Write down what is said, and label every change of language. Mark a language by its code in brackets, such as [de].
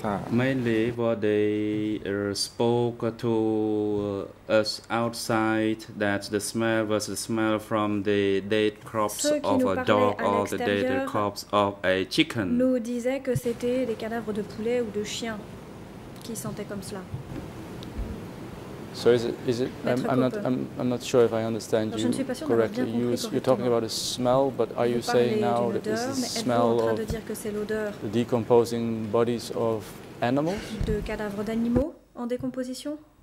[en] Mainly what they spoke to us outside, that the smell was the smell from the dead corpse of a dog or the dead corpse of a chicken. [fr] Nous disaient que c'était des cadavres de poulet ou de chien qui sentaient comme cela. [en] So is it I'm not sure if I understand [fr] Donc [en] you [fr] je ne suis pas sûr [en] correctly. [fr] Bien correctement. [en] You're talking about a smell, but are you [fr] vous [en] saying now [fr] odeur, [en] that this is the smell of [fr] dire que c'est l'odeur [en] decomposing bodies of animals? [fr] De cadavres d'animaux en décomposition?